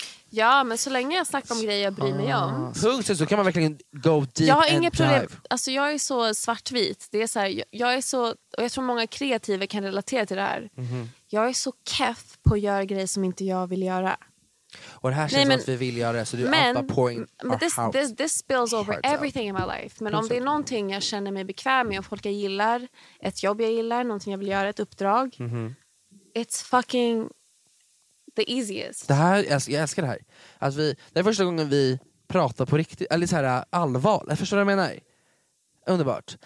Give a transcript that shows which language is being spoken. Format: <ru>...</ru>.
<sv>Ja, men så länge jag snackar om grejer jag bryr mig om. Punkt, så kan man verkligen</sv> <en>go deep.</en> <sv>Jag har inget problem. Alltså jag är så svartvit. Det är så här, jag är så, och jag tror många kreativa kan relatera till det här. Mm-hmm. Jag är så keff på att göra grejer som inte jag vill göra. Och det här känns som att vi vill göra det. Så du men, är uppa</sv> <en>men this spills over everything out in my life.</en> <sv>Men om det är någonting jag känner mig bekväm med och folk jag gillar, ett jobb jag gillar, någonting jag vill göra, ett uppdrag.</sv> <en>Mm-hmm. It's fucking the easiest.</en> <sv>Det här, jag älskar det här. Att vi, det är första gången vi pratar på riktigt, eller så här allvar. Jag förstår vad du menar. Underbart.</sv>